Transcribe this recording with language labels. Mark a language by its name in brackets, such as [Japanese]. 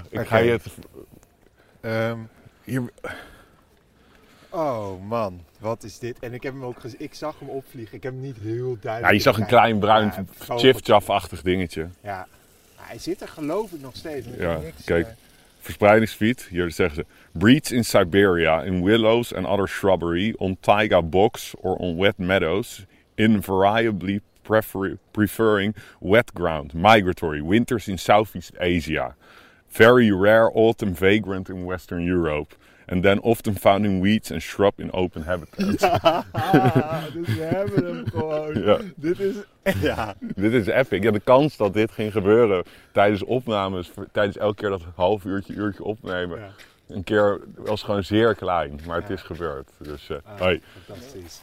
[Dutch] ik ga je het. Hier. Oh man, wat is dit? En ik heb hem ook gezien. Ik zag hem opvliegen. Ik heb hem niet heel duidelijk. Ja, je zag een klein bruin chiff-chaff-achtig dingetje. Ja, maar hij zit er geloof ik nog steeds. Ja, kijk. Verspreidingsgebied. Hier zeggen ze. [English] Breeds in Siberia, in willows and other shrubbery, on taiga box or on wet meadows, invariably preferring wet ground. Migratory. Winters in Southeast Asia. Very rare autumn vagrant in Western Europe. And then often found in weeds and shrub in open habitats. [Dutch] Ja, dus we hebben hem gewoon. Ja. Dit is. Ja. Dit is epic. Ja, de kans dat dit ging gebeuren tijdens opnames, tijdens elke keer dat half uurtje opnemen, een keer was gewoon zeer klein. Maar het is gebeurd. Dus, hoi. Fantastisch.